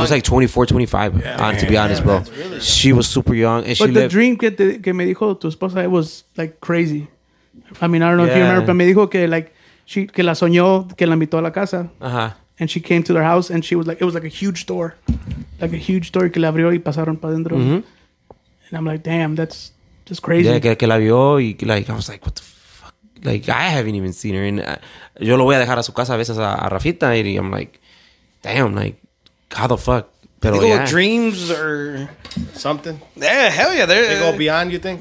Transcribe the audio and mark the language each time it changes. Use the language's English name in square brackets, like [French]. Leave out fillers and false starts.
[English] She was like 24, 25, to be honest, bro. Really, she was super young. And she the lived. [Spanish] Dream que me dijo tu esposa, [English] it was, like, crazy. I mean, I don't know if you remember, but [Spanish] me dijo que, [English] like, she [Spanish] que la soñó, que la invitó a la casa. [English] Uh-huh. And she came to their house, and she was like, it was like a huge door. Like, a huge door [Spanish] que la abrió y pasaron para adentro. [English] Mm-hmm. And I'm like, damn, that's... It's crazy. Yeah, [Spanish] que la vio [English] y like I was like, what the fuck? Like, I haven't even seen her. And [Spanish] yo lo voy a dejar a su casa a veces a Rafita. [English] And I'm like, damn, like, how the fuck? Pero, dreams or something. Yeah, hell yeah. They go beyond, you think?